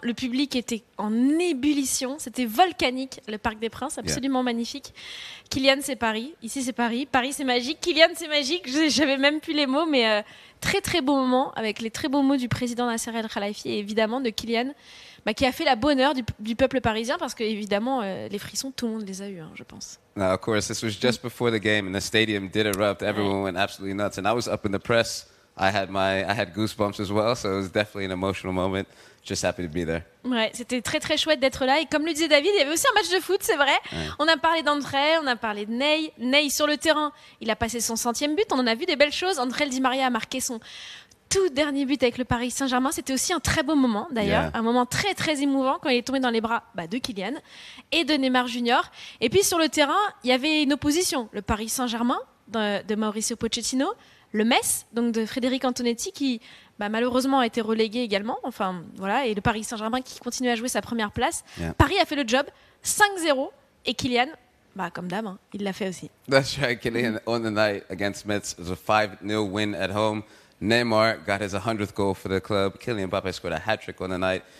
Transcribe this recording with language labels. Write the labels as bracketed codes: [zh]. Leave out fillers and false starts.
[fr] Le public était en ébullition. C'était volcanique, le Parc des Princes. Absolument magnifique. Kylian, c'est Paris. Ici, c'est Paris. Paris, c'est magique. Kylian, c'est magique. J'avais même plus les mots, mais... très très beau moment avec les très beaux mots du président Nasser El Khelaifi et évidemment de Kylian qui a fait la bonne heure du peuple parisien parce que évidemment les frissons tout le monde les a eu je pense. [en] Now, of course this was just before the game and the stadium did erupt, everyone went absolutely nuts and I was up in the press, I had goosebumps as well, so it was definitely an emotional moment. Just happy to be there. [fr] Ouais, c'était très très chouette d'être là. Et comme le disait David, il y avait aussi un match de foot, c'est vrai. Ouais. On a parlé d'André, on a parlé de Ney. Ney sur le terrain, il a passé son 100e but. On en a vu des belles choses. André Di Maria a marqué son tout dernier but avec le Paris Saint-Germain. C'était aussi un très beau moment d'ailleurs. Yeah. Un moment très très émouvant quand il est tombé dans les bras de Kylian et de Neymar Junior. Et puis sur le terrain, il y avait une opposition. Le Paris Saint-Germain de Mauricio Pochettino. Le Metz, donc de Frédéric Antonetti, qui malheureusement a été relégué également. Enfin, voilà, et le Paris Saint-Germain qui continue à jouer sa première place. Yeah. Paris a fait le job, 5-0. Et Kylian, comme d'hab, hein, il l'a fait aussi. [en] That's right, Kylian, on the night against Metz, it was a 5-0 win at home. Neymar got his 100th goal for the club. Kylian Mbappé scored a hat-trick on the night.